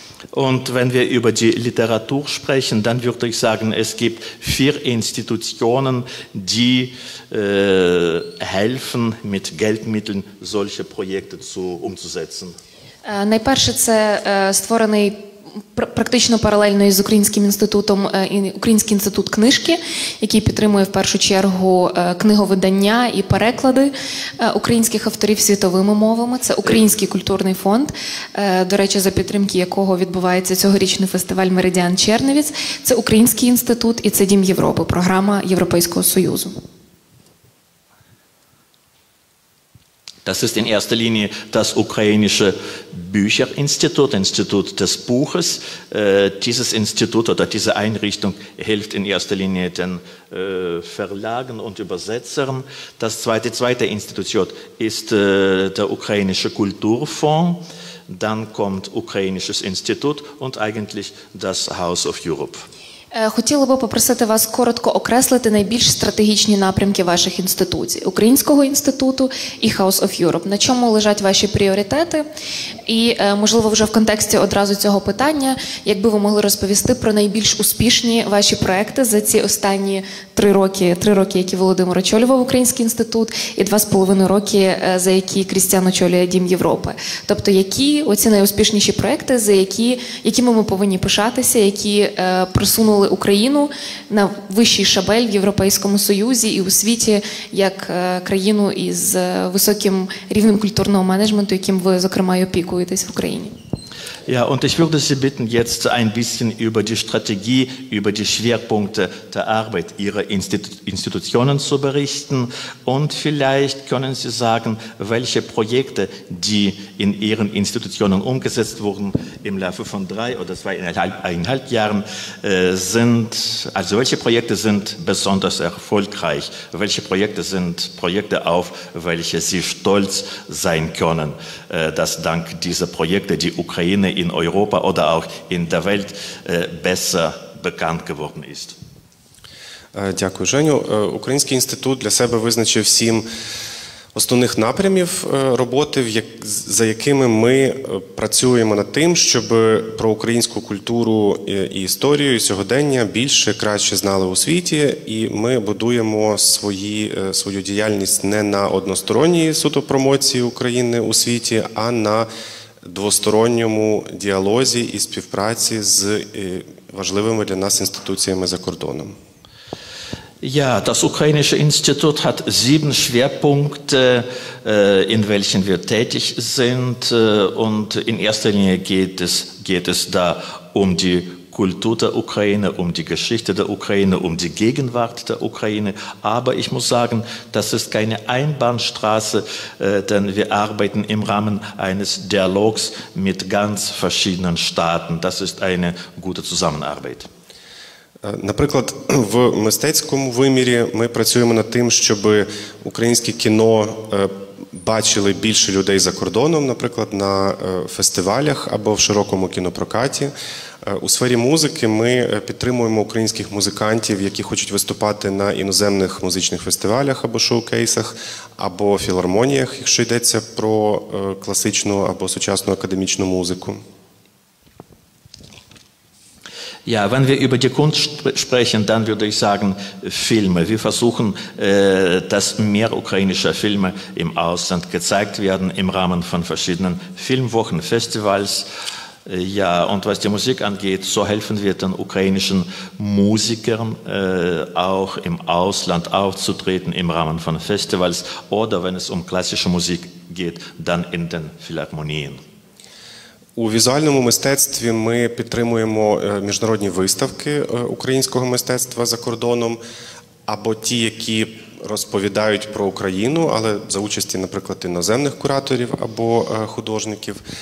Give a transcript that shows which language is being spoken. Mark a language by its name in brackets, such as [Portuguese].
[German] Und wenn wir über die Literatur sprechen, dann würde ich sagen, es gibt 4 Institutionen, die helfen, mit Geldmitteln solche Projekte umzusetzen. [Ukrainian] Найперше, це створений практично паралельно із українським інститутом, Український інститут книжки, який підтримує в першу чергу книговидання і переклади українських авторів світовими мовами. Це Український культурний фонд, до речі, за підтримки якого відбувається цьогорічний фестиваль «Меридіан Черневіць». Це Український інститут і це Дім Європи, програма Європейського Союзу. [German] Das ist in erster Linie das ukrainische Bücherinstitut, Institut des Buches. Dieses Institut oder diese Einrichtung hilft in erster Linie den Verlagen und Übersetzern. Das zweite Institut ist der ukrainische Kulturfonds. Dann kommt ukrainisches Institut und eigentlich das House of Europe. [Ukrainian] Хотіла би попросити вас коротко окреслити найбільш стратегічні напрямки ваших інституцій – Українського інституту і House of Europe. На чому лежать ваші пріоритети? І, можливо, вже в контексті одразу цього питання, якби ви могли розповісти про найбільш успішні ваші проекти за ці останні 3 роки, які Володимир очолював Український інститут, і 2,5 роки, за які Крістіан очолює Дім Європи. Тобто, які оці найуспішніші проекти, за якими ми повинні пишатися, які просунули Україну на вищий шабель в Європейському Союзі і у світі як країну із високим рівнем культурного менеджменту, яким ви, зокрема, опікуєтесь в Україні. [German] Ja, und ich würde Sie bitten, jetzt ein bisschen über die Strategie, über die Schwerpunkte der Arbeit Ihrer Institutionen zu berichten. Und vielleicht können Sie sagen, welche Projekte, die in Ihren Institutionen umgesetzt wurden im Laufe von 3 oder 2,5 Jahren, sind, also welche Projekte sind besonders erfolgreich? Welche Projekte sind Projekte, auf welche Sie stolz sein können, dass dank dieser Projekte die Ukraine in Europa oder auch in der Welt besser bekannt geworden ist? [Ukrainian] Дякую, Женю. Український інститут для себе визначив 7 основних напрямів роботи, за якими ми працюємо над тим, щоб про українську культуру і історію, і сьогодення більше, краще знали у світі. І ми будуємо свою діяльність не на односторонній суто промоції України у світі, а на двосторонньому діалозі і співпраці з важливими для нас інституціями за кордоном. [German] Ja, das Ukrainische Institut hat 7 Schwerpunkte, in welchen wir tätig sind. Und in erster Linie geht es da um die Kultur der Ukraine, um die Geschichte der Ukraine, um die Gegenwart der Ukraine. Aber ich muss sagen, das ist keine Einbahnstraße, denn wir arbeiten im Rahmen eines Dialogs mit ganz verschiedenen Staaten. Das ist eine gute Zusammenarbeit. [Ukrainian] Наприклад, в мистецькому вимірі ми працюємо над тим, щоб українське кіно бачили більше людей за кордоном, наприклад, на фестивалях або в широкому кінопрокаті. У сфері музики ми підтримуємо українських музикантів, які хочуть виступати на іноземних музичних фестивалях або шоукейсах, або філармоніях, якщо йдеться про класичну або сучасну академічну музику. [German] Ja, wenn wir über die Kunst sprechen, dann würde ich sagen Filme. Wir versuchen, dass mehr ukrainische Filme im Ausland gezeigt werden im Rahmen von verschiedenen Filmwochen, Festivals. Ja, und was die Musik angeht, so helfen wir den ukrainischen Musikern auch im Ausland aufzutreten im Rahmen von Festivals oder wenn es um klassische Musik geht, dann in den Philharmonien. [Ukrainian] У візуальному мистецтві ми підтримуємо міжнародні виставки українського мистецтва за кордоном, або ті, які розповідають про Україну, але за участі, наприклад, іноземних кураторів або художників.